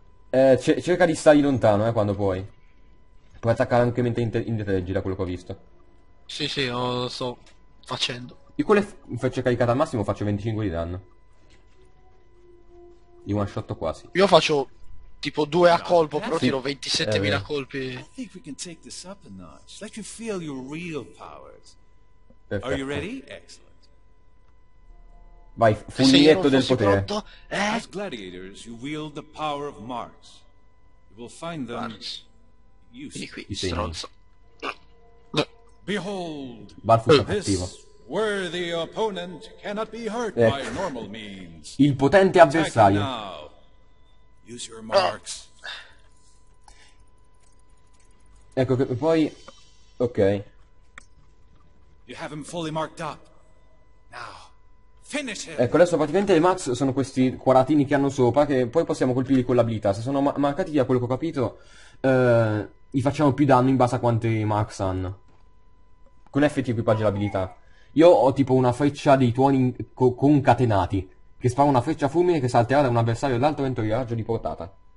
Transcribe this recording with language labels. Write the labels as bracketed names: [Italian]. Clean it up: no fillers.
[Italian] Cerca di stare lontano, quando puoi. Puoi attaccare anche mentre indietreggi, da quello che ho visto. Sì, lo sto facendo. Io con le frecce caricate al massimo faccio 25 di danno. Di one shot quasi. Io faccio tipo 2 a colpo, però tiro 27.000 colpi. [English] I think we can take this up a notch. Let you feel your real powers. Perfetto. Are you ready? Excellent. [Italian] Vai, fulminetto del potere. [English] As gladiators, you wield the power of marks. You will find them useful. [Italian] Vieni qui, stronzo. [English] Behold, cattivo. Worthy opponent cannot be hurt by normal means. [Italian] Il potente avversario. [English] Use your marks. [Italian] Ecco che poi. Ok. [English] You have him fully marked up. Now, finish him. [Italian] Ecco, adesso praticamente le marks sono questi quadratini che hanno sopra, che poi possiamo colpirli con l'abilità. Se sono marcati da quello che ho capito. gli facciamo più danno in base a quanti max hanno. Con effetti equipaggio l'abilità. Io ho tipo una freccia dei tuoni concatenati, che spara una freccia fulmine che salterà da un avversario all'altro entro il raggio di portata.